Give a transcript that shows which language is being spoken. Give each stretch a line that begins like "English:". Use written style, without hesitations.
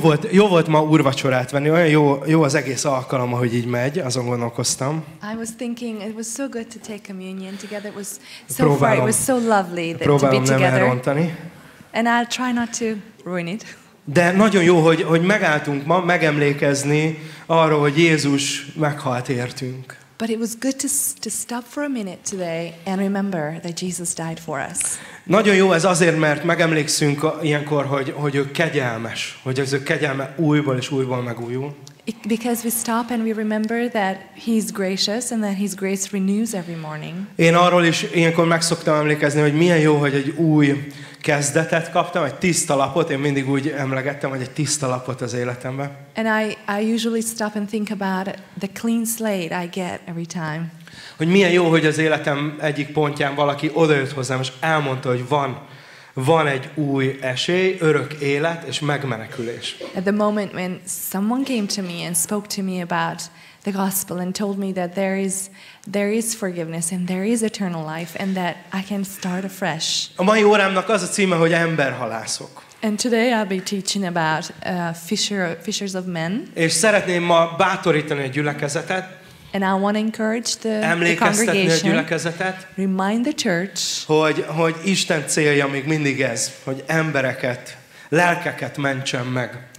Hungarian: Jó volt ma úrvacsorát venni. Olyan jó az egész alkalom, ahogy így megy, azon gondolkoztam.
English: I was thinking it was so good to take communion together. It was so far, it was so lovely that to be together. And I'll try not to ruin it.
Hungarian: De nagyon jó, hogy megálltunk ma megemlékezni arról, hogy Jézus meghalt értünk.
English: But it was good to stop for a minute today and remember that Jesus died for us.
Hungarian: Nagyon jó ez azért, mert megemlékszünk ilyenkor, hogy ő kegyelmes, hogy az ő kegyelme újból és újból megújul.
English: Because we stop and we remember that he's gracious and that his grace renews every morning.
Hungarian: Én arról is ilyenkor meg szoktam emlékezni, hogy milyen jó, hogy egy új kezdetet kaptam, egy tiszta lapot. Én mindig úgy emlegettem, hogy egy tiszta lapot az életemben.
English: And I usually stop and think about the clean slate I get every time.
Hungarian: Hogy milyen jó, hogy az életem egyik pontján valaki odajött hozzám, és elmondta, hogy van egy új esély, örök élet és megmenekülés.
English: At the moment when someone came to me and spoke to me about the gospel and told me that there is forgiveness and there is eternal life and that I can start afresh.
Hungarian: A mai órámnak az a címe, hogy emberhalászok.
English: And today I'll be teaching about fishers of men.
Hungarian: És szeretném ma bátorítani a gyülekezetet.
English: And I want to encourage the congregation, remind the church,
Hungarian: hogy Isten célja még mindig ez, hogy embereket, lelkeket mentsen meg.